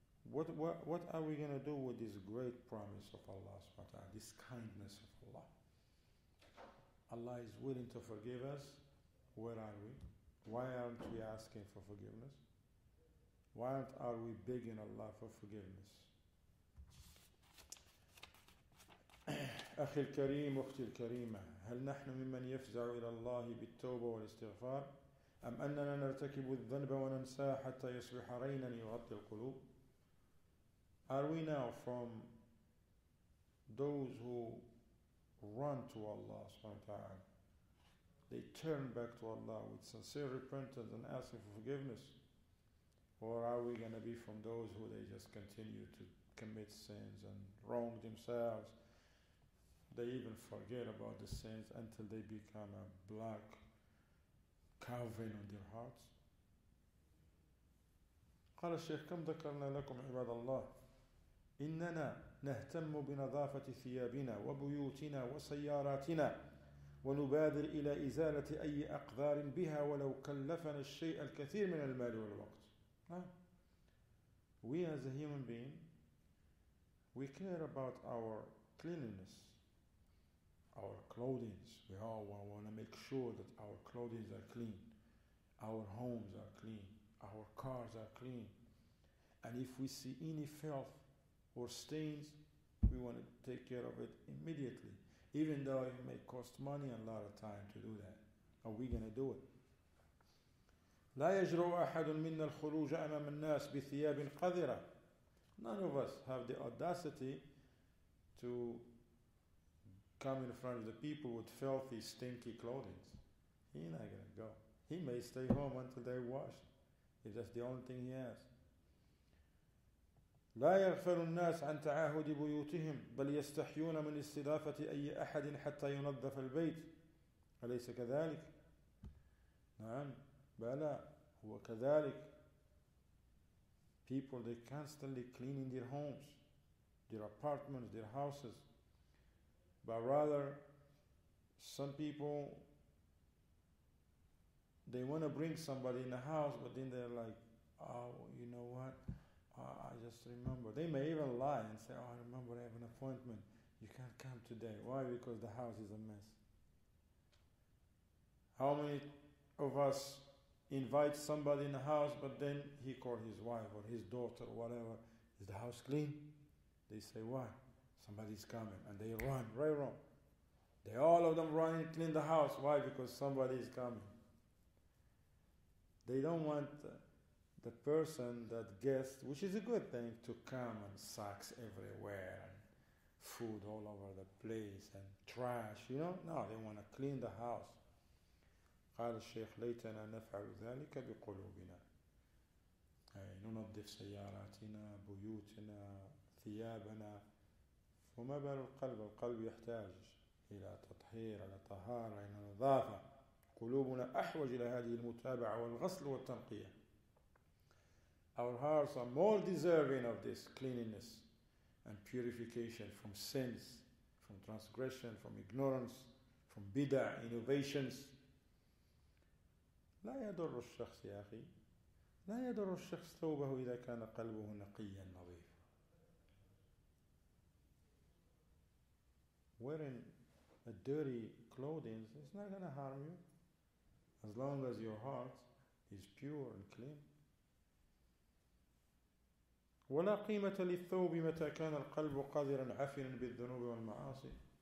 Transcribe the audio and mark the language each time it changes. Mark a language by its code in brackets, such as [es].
[en] What are we going to do with this great promise of Allah subhanahu wa ta'ala, this kindness of Allah? Allah is willing to forgive us. Where are we? Why aren't we asking for forgiveness? Why are we begging Allah for forgiveness? [ar] أخي الكريم أختي الكريمة هل نحن ممن يفزع إلى الله بالتوبة والاستغفار أم أننا نرتكب الذنب وننسى حتى يصبح رينا يغطي القلوب؟ [en] Are we now from those who run to Allah [ar] سبحانه وتعالى? [en] They turn back to Allah with sincere repentance and asking for forgiveness? Or are we going to be from those who they just continue to commit sins and wrong themselves? They even forget about the sins until they become a black cavern on their hearts. [ar] قال الشيخ كم ذكرنا لكم عباد الله إننا نهتم بنظافة ثيابنا وبيوتنا وسياراتنا ونبادر إلى إزالة أي أقدار بها ولو كلفنا الشيء الكثير من المال والوقت. [en] We as a human being, we care about our cleanliness, our clothing. We all want to make sure that our clothing are clean, our homes are clean, our cars are clean. And if we see any filth or stains, we want to take care of it immediately. Even though it may cost money and a lot of time to do that, are we going to do it? [ar] لا يجرؤ أحد منا الخروج أمام الناس بثياب قذرة. [en] None of us have the audacity to come in front of the people with filthy, stinky clothing. He's not going to go. He may stay home until they wash, if that's the only thing he has. [ar] لا يغفل الناس عن تعاهد بيوتهم بل يستحيون من استضافة أي أحد حتى ينظف البيت أليس كذلك؟ نعم بلى هو كذلك. [en] People, they constantly cleaning their homes, their apartments, their houses, but rather some people, they want to bring somebody in the house, but then they're like, oh, you know what, I just remember. They may even lie and say, oh, I remember I have an appointment. You can't come today. Why? Because the house is a mess. How many of us invite somebody in the house, but then he called his wife or his daughter or whatever. Is the house clean? They say, why? Somebody's coming. And they run, right wrong. They all of them run and clean the house. Why? Because somebody is coming. They don't want the person, that guest, which is a good thing, to come and socks everywhere and food all over the place and trash, you know? No, they want to clean the house. [ar] قال الشيخ ليتنا نفعل ذلك بقلوبنا. أي ننظف سياراتنا, بيوتنا, ثيابنا. فما بال القلب؟ القلب يحتاج إلى تطهير, إلى طهارة, إلى نظافة. قلوبنا أحوج إلى هذه المتابعة والغسل والتنقية. [en] Our hearts are more deserving of this cleanliness and purification from sins, from transgression, from ignorance, from bid'ah, innovations. [ar] لا يضر الشخص يا أخي لا يضر الشخص ثوبه إذا كان قلبه نقيا نظيف. [en] Wearing a dirty clothing is not going to harm you as long as your heart is pure and clean. [ar] ولا قيمة للثوب متى كان القلب قذرا عفنا بالذنوب والمعاصي.